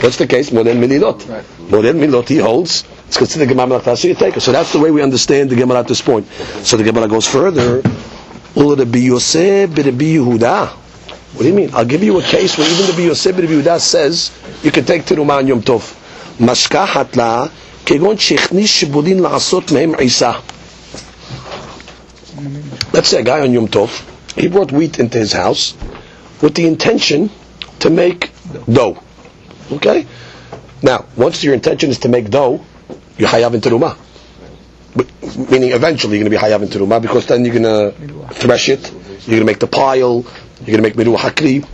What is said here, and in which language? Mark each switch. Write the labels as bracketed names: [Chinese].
[English] That's the case, molel mililot. Molel mililot, he holds. It's considered gemar melachta, so you take it. So that's the way we understand the Gemara at this point. So the Gemara goes further. Rabbi Yosef, Rabbi Yehuda. What do you mean? I'll give you a case where even Rabbi Yosef, Rabbi Yehuda says you can take terumah on Yom Tov. [Hebrew] Mashkachat la כגון שהכניס שיבודין לעשות מהם עיסה. [English] Let's say a guy on Yom Tov, he brought wheat into his house with the intention to make dough. Okay? Now, once your intention is to make dough, you're hayav in terumah. Meaning eventually you're going to be hayav in terumah, because then you're going to thresh it, you're going to make the pile, you're going to make meruah hakri.